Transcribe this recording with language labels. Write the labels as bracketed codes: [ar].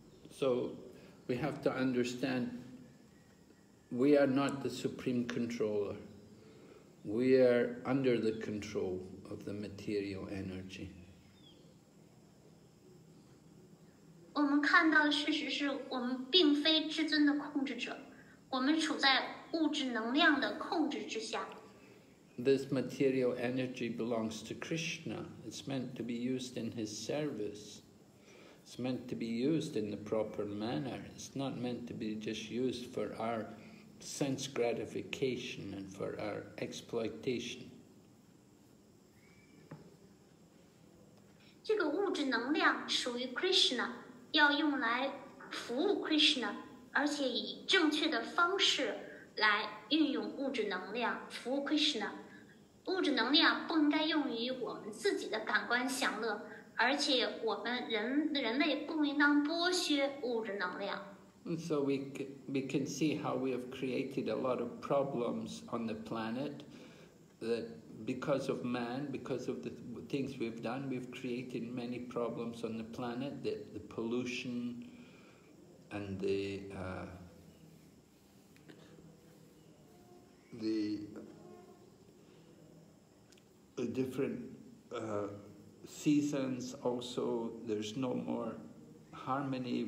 [en] So we have to understand we are not the supreme controller. We are under the control of the material energy. [zh] 我们看到的事实是我们并非至尊的控制者，我们处在物质能量的控制之下。 [en] This material energy belongs to Krishna. It's meant to be used in his service. It's meant to be used in the proper manner. It's not meant to be just used for our sense gratification and for our exploitation. [zh] 这个物质能量属于 Krishna, 要用来服务 Krishna, 而且以正确的方式来运用物质能量服务 Krishna. 物质能量不应该用于我们自己的感官享乐。而且我们人类不应当剥削物质能量。 [en] And so we can see how we have created a lot of problems on the planet, that because of man, because of the things we've done, we've created many problems on the planet, the pollution and the different seasons also, there's no more harmony.